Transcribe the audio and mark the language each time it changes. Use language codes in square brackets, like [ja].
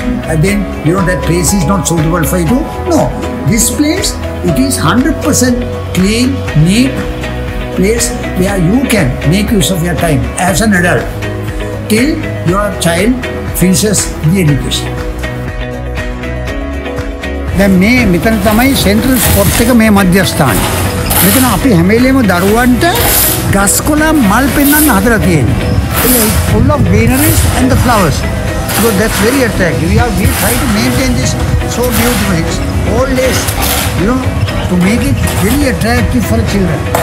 [en] And then, you know, that place is not suitable for you too. No, this place, it is 100% clean, neat place where you can make use of your time as an adult till your child finishes the education. [si] දැන් මේ මෙතන තමයි central spot එක මේ මධ්‍යස්ථානයේ. මෙතන අපි හැම වෙලේම දරුවන්ට ගස්කොළන් මල් පෙන්වන්න හදලා තියෙනවා. [en] It's full of greeneries and the flowers. So that's very attractive. We try to maintain this so beautiful. It's all this, you know, to make it really attractive for children.